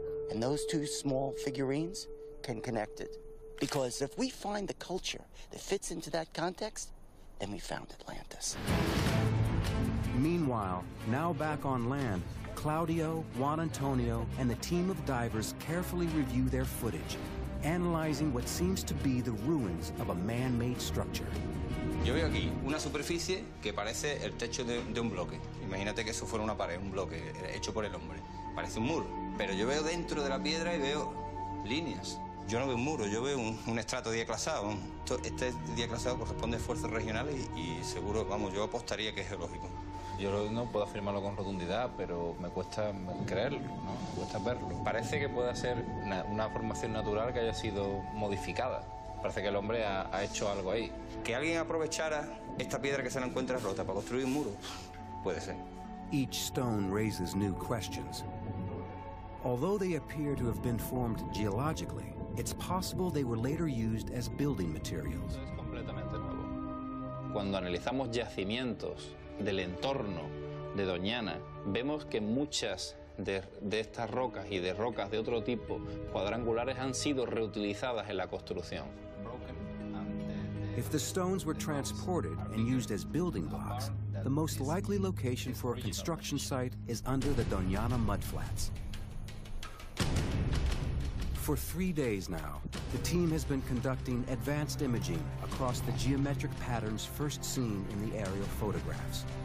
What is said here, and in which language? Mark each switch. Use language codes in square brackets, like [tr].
[en] And those two small figurines can connect it. Because if we find the culture that fits into that context, then we found Atlantis. Meanwhile, now back on land, Claudio, Juan Antonio, and the team of divers carefully review their footage, analyzing what seems to be the ruins of a man-made structure. [es] Yo veo aquí una superficie que parece el techo de un bloque. Imagínate que eso fuera una pared, un bloque hecho por el hombre. Parece un muro. Pero yo veo dentro de la piedra y veo líneas. Yo no veo un muro, yo veo un estrato diaclasado. Este diaclasado corresponde a esfuerzos regionales y seguro, vamos, yo apostaría que es geológico. Yo no puedo afirmarlo con rotundidad, pero me cuesta creerlo, ¿no? Me cuesta verlo. Parece que puede ser una formación natural que haya sido modificada. Parece que el hombre ha hecho algo ahí. Que alguien aprovechara esta piedra que se la encuentra rota para construir un muro, puede ser. [en] Each stone raises new questions. Although they appear to have been formed geologically, it's possible they were later used as building materials. [es] Es completamente nuevo. Cuando analizamos yacimientos del entorno de Doñana, vemos que muchas de estas rocas y de rocas de otro tipo cuadrangulares han sido reutilizadas en la construcción. [en] If the stones were transported and used as building blocks, the most likely location for a construction site is under the Doñana mudflats. For 3 days now, the team has been conducting advanced imaging across the geometric patterns first seen in the aerial photographs.